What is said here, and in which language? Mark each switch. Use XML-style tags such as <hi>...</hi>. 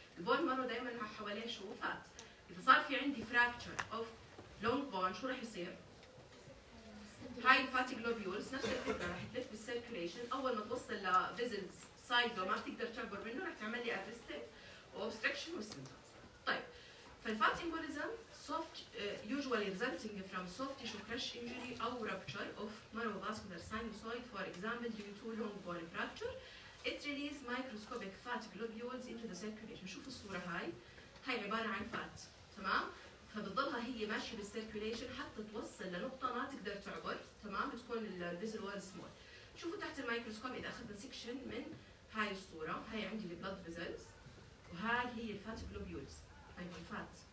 <ar>البون مارو دائما مع حواليه شو؟ فات. اذا صار في عندي فراكتشر اوف لونج بون شو راح يصير؟ هاي الفات جلوبولز نفس الفكره راح تلف بالسيركيليشن. اول ما توصل لفيزلز سايدو ما بتقدر تعبر منه راح تعمل لي ارستيك اوبستراكشن وسيمتومز. طيب فالفات امبوليزم</ar> <en>soft usually resulting from soft tissue crush injury or rupture of neurovascular sinusoid, for example due to long bone fracture. It releases microscopic fat globules into the circulation.</en> <ar>شوف الصورة هاي، هاي عبارة عن فات، تمام؟ فبتضلها هي ماشية بالcirculation حتى توصل لنقطة ما تقدر تعبر، تمام؟ بتكون الفيزل وول سمول. شوفوا تحت الميكروسكوب إذا أخذنا سكشن من هاي الصورة، هاي عندي البلد فيزلز وهاي هي الفات globules. هاي هو الفات.</ar>